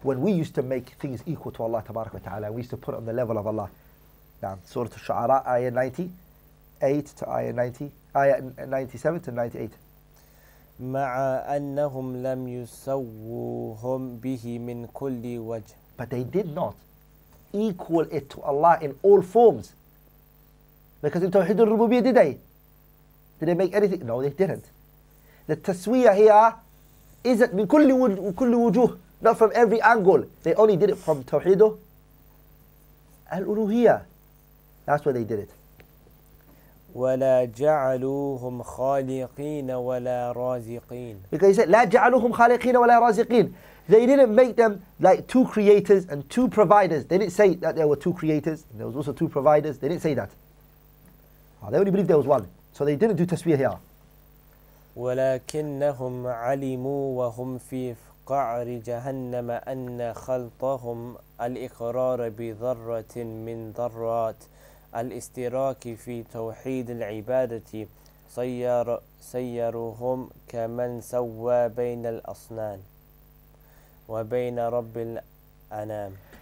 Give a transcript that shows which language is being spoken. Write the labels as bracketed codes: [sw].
[en] When we used to make things equal to Allah تبارك وتعالى, we used to put it on the level of Allah. [ar] نعم. سورة الشعراء آية 98 to آية 97 to 98. مع أنهم لم يسوهم به من كل وجه. [en] But they did not equal it to Allah in all forms. Because in توحيد الربوبية did they make anything? No, they didn't. The تسوية here isn't [ar] من كل وجوه, [en] not from every angle. They only did it from توحيد الألوهية. That's where they did it. [ar] ولا جعلوهم خالقين ولا رازقين. [en] Because he said [ar] لا جعلوهم خالقين ولا رازقين. [en] They didn't make them like two creators and two providers. They didn't say that there were two creators and there was also two providers. They didn't say that. They only believed there was one. So they didn't do tasbih here. [ar] ولكنهم علموا وهم في قعر جهنم أن خلطهم الإقرار بذرة من ذرات الاستراك في توحيد العبادة سيروهم كمن سوى بين الأصنام وبين رب الأنام.